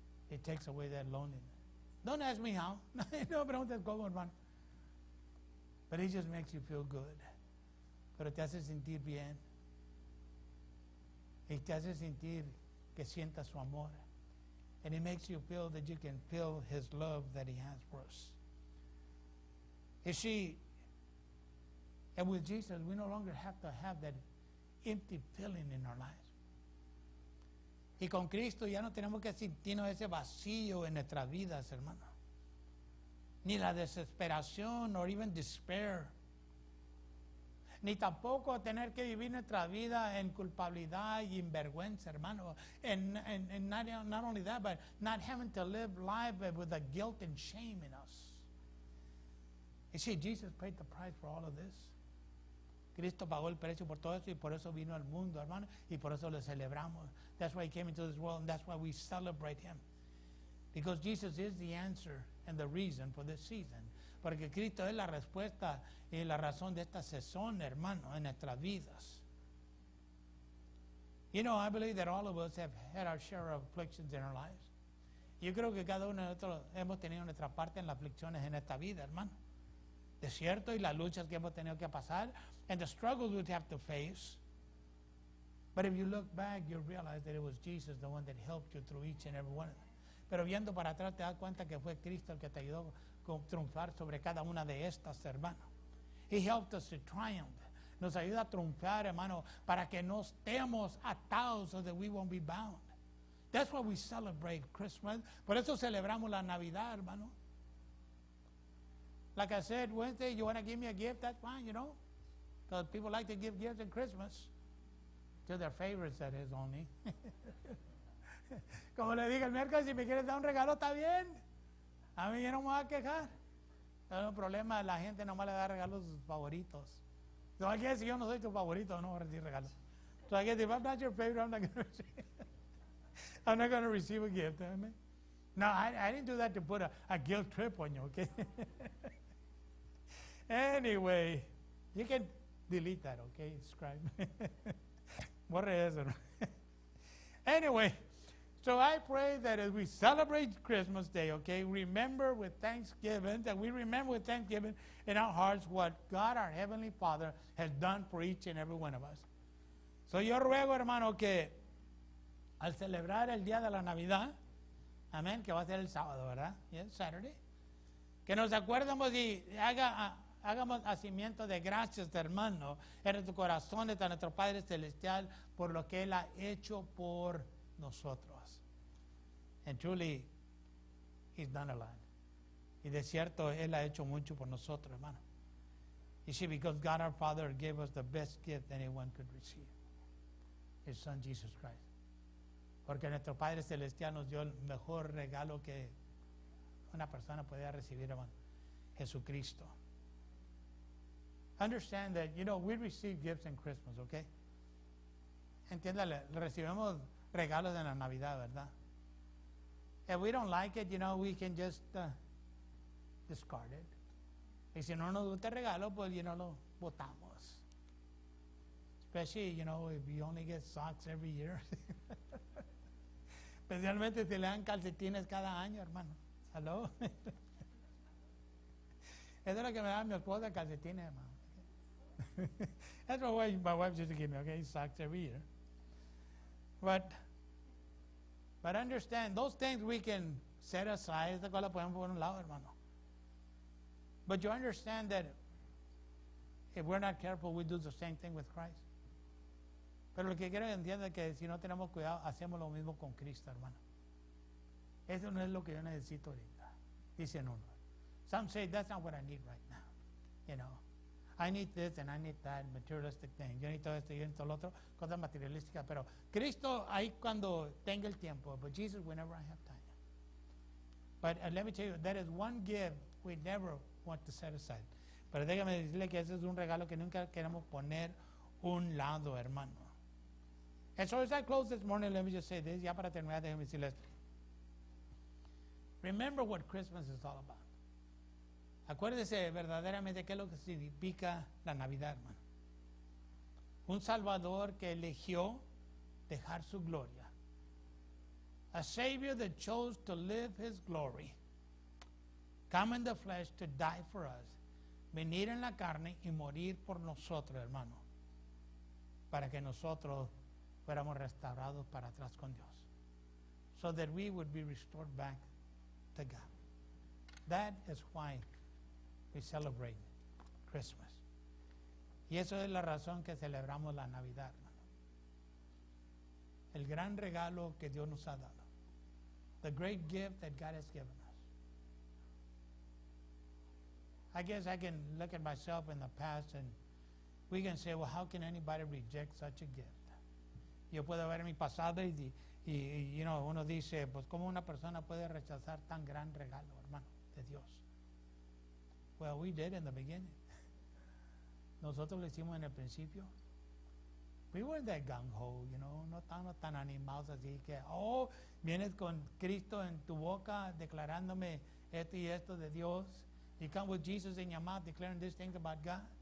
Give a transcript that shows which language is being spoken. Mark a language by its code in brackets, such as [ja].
[en] It takes away that loneliness. Don't ask me how. [es] No preguntes cómo, hermano. [en] But it just makes you feel good. [es] Pero te hace sentir bien. Y te hace sentir que sientas su amor. [en] And it makes you feel that you can feel his love that he has for us. You see, and with Jesus, we no longer have to have that empty feeling in our lives. [es] Y con Cristo ya no tenemos que sentirnos ese vacío en nuestras vidas, hermano. Ni la desesperación, [en] or even despair. [es] Ni tampoco tener que vivir nuestra vida en culpabilidad y en vergüenza, hermano. [en] And not only that, but not having to live life with a guilt and shame in us. You see, Jesus paid the price for all of this. [es] Cristo pagó el precio por todo esto y por eso vino al mundo, hermano. Y por eso lo celebramos. [en] That's why he came into this world and that's why we celebrate him. Because Jesus is the answer and the reason for this season. [es] Porque Cristo es la respuesta y la razón de esta sazón, hermano, en nuestras vidas. [en] You know, I believe that all of us have had our share of afflictions in our lives. [es] Yo creo que cada uno de nosotros hemos tenido nuestra parte en las aflicciones en esta vida, hermano. Desierto y las luchas que hemos tenido que pasar, [en] and the struggles we have to face. But if you look back, you realize that it was Jesus, the one that helped you through each and every one of them. [es] Pero viendo para atrás, te das cuenta que fue Cristo el que te ayudó a triunfar sobre cada una de estas, hermano. [en] He helped us to triumph. [es] Nos ayuda a triunfar, hermano, para que no estemos atados, [en] so that we won't be bound. That's why we celebrate Christmas. [es] Por eso celebramos la Navidad, hermano. [en] Like I said, Wednesday, you want to give me a gift? That's fine, you know. Because people like to give gifts at Christmas. To their favorites, that is, only. [es] Como le dije el miércoles, si me quieres dar un regalo, está bien. A mí yo no me voy a quejar. Es un problema, la gente nomás le da regalos a sus favoritos. ¿Tú vas a decir, yo no soy tu favorito, no voy a recibir regalos? ¿Tú vas a decir, [en] if I'm not your favorite, I'm not going to receive a gift, amen? No, I didn't do that to put a guilt trip on you, okay? Anyway, you can delete that, okay? Scribe. [es] Borre eso. [en] Anyway, so I pray that as we celebrate Christmas Day, okay, remember with thanksgiving, that we remember with thanksgiving in our hearts what God, our Heavenly Father, has done for each and every one of us. [es] So yo ruego, hermano, que al celebrar el día de la Navidad, amén, que va a ser el sábado, ¿verdad? [en] Yes, Saturday. [es] Que nos acuerdemos y hagamos hacimiento de gracias, hermano, en tu corazón, de nuestro Padre Celestial, por lo que Él ha hecho por nosotros. [en] And truly, He's done a lot. [es] Y de cierto, Él ha hecho mucho por nosotros, hermano. [en] You see, because God our Father gave us the best gift anyone could receive, His Son Jesus Christ. [es] Porque nuestro Padre Celestial nos dio el mejor regalo que una persona podía recibir, hermano, Jesucristo. [en] Understand that, you know, we receive gifts in Christmas, okay? [es] Entiéndale, recibimos regalos en la Navidad, ¿verdad? [en] If we don't like it, you know, we can just discard it. [es] Y si no nos gusta el regalo, pues, [en] you know, [es] lo botamos. [en] Especially, you know, if you only get socks every year. [es] Especialmente si le dan calcetines cada año, hermano. Hello? Eso es lo que me da mi esposa, calcetines, hermano. [en] That's what my wife used to give me, okay? Socks every year. But understand, those things we can set aside. [es] Esta cosa la podemos poner a un lado, hermano. [en] But you understand that if we're not careful, we do the same thing with Christ. [es] Pero lo que quiero que entienda es que si no tenemos cuidado, hacemos lo mismo con Cristo, hermano. Eso no es lo que yo necesito ahorita. Dicen uno. [en] Some say, that's not what I need right now. You know, I need this and I need that materialistic thing. [es] Yo necesito esto, yo necesito lo otro. Cosa materialística. Pero Cristo, ahí cuando tenga el tiempo. [en] But Jesus, whenever I have time. But let me tell you, that is one gift we never want to set aside. [es] Pero déjame decirle que ese es un regalo que nunca queremos poner un lado, hermano. [en] And so as I close this morning, let me just say this. [es] Ya para terminar, déjame decirle esto. [en] Remember what Christmas is all about. [es] Acuérdese verdaderamente qué es lo que significa la Navidad, hermano. Un Salvador que eligió dejar su gloria. [en] A Savior that chose to live His glory. Come in the flesh to die for us. [es] Venir en la carne y morir por nosotros, hermano. Para que nosotros fuéramos restaurados para atrás con Dios. [en] So that we would be restored back to God. That is why we celebrate Christmas. [es] Y eso es la razón que celebramos la Navidad, hermano. El gran regalo que Dios nos ha dado. [en] The great gift that God has given us. I guess I can look at myself in the past and we can say, well, how can anybody reject such a gift? [es] Yo puedo ver mi pasado y [en] you know, [es] uno dice, pues, ¿cómo una persona puede rechazar tan gran regalo, hermano, de Dios? [en] Well, we did in the beginning. [es] Nosotros lo hicimos en el principio. [en] We weren't that gung-ho, you know. [es] No estábamos tan animados así que, oh, vienes con Cristo en tu boca declarándome esto y esto de Dios. [en] You come with Jesus in your mouth declaring these things about God.